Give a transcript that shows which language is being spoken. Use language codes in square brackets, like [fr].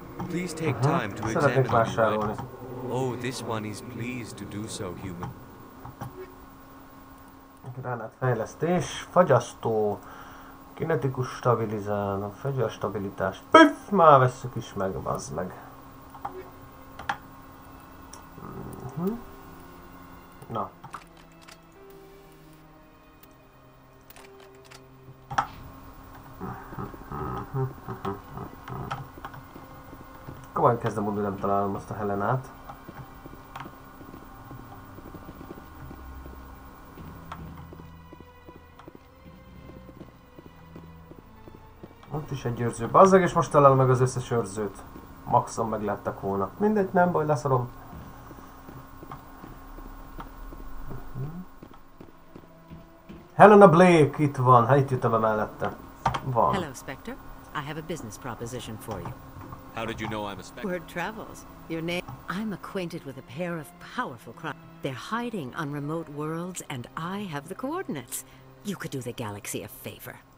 [en] Please take time to examine him. Oh, this one is pleased to do so, human. [hu] Gránátfejlesztés, fagyasztó, kinetikus stabilizál, a fegyver stabilitás. Püff, már vesszük is meg, bazd meg. Na. Komolyan kezdem mondani, nem találom azt a Helenát. Ott is egy őrző. Bazzeg, és most találom meg az összes őrzőt. Maxon meglettek volna. Mindegy, nem baj, leszarom. Helena Blake itt van. Hát itt jöttem mellette. Van. [en] Hello, Spectre. I have a business proposition for you. How did you know I'm a spectre? Word travels. Your name? I'm acquainted with a pair of powerful crime. They're hiding on remote worlds, and I have the coordinates. You could do the galaxy a favor.